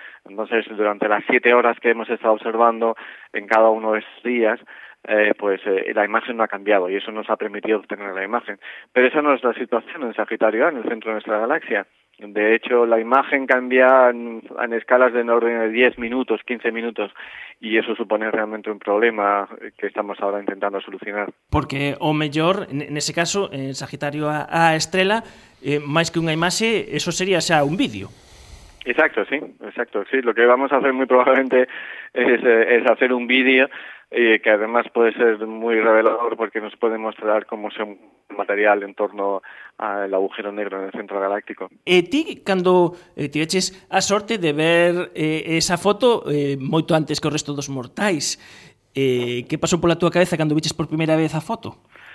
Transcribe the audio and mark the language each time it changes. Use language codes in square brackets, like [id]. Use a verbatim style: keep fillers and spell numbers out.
[es] Entonces, durante las siete horas que hemos estado observando en cada uno de esos días, eh, pues eh, la imagen no ha cambiado, y eso nos ha permitido obtener la imagen. Pero esa no es la situación en Sagitario A, en el centro de nuestra galaxia. De hecho, la imagen cambia en, en escalas de orden de diez minutos, quince minutos, y eso supone realmente un problema que estamos ahora intentando solucionar. [gl] Porque, o mellor, nese caso, en Sagitario A, a estrela, eh, máis que unha imaxe, eso sería xa un vídeo. [es] Exacto, sí, exacto, sí. Lo que vamos a hacer muy probablemente es, es hacer un vídeo eh, que además puede ser muy revelador, porque nos puede mostrar cómo se un material en torno al agujero negro en el centro galáctico. [gl] E ti, cando eh, ti veches a sorte de ver eh, esa foto eh, moito antes que o resto dos mortais, eh, que pasou pola túa cabeza cando veches por primeira vez a foto?